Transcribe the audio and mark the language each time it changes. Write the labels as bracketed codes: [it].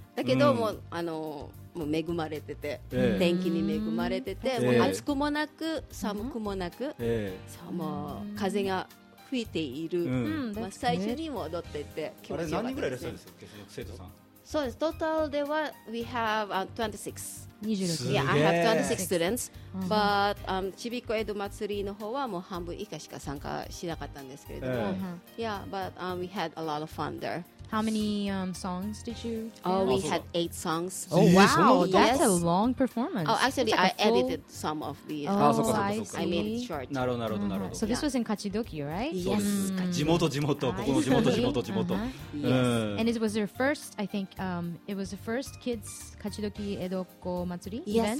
[ja] だけど、もう、あの、もう恵まれてて、天気に恵まれてて、もう暑くもなく、寒くもなく、そう、もう風が吹いている、まあ、最初にも踊ってて、気持ちよかったですね。あれ、何人ぐらいいらっしゃるんですか、生徒さん。そうです、トータルでは、 [en] we have 26. Yeah, I have 26 students. [ja] But, ちびっこ江戸祭りの方はもう半分以下しか参加しなかったんですけれども。 [en] Yeah, but we had a lot of fun there. How many songs did you play? Oh, we had 8 songs. Oh, wow! That's a long performance. Oh, actually, I edited some of the songs. I made it short. [ja] なるほど、なるほど、なるほど。 [en] So this was in Kachidoki, right? Yes. [ja] 地元、地元、ここの地元、地元、地元。 [en] Yes. And it was your first, I think, it was the first kids Kachidoki Edoko Matsuri event?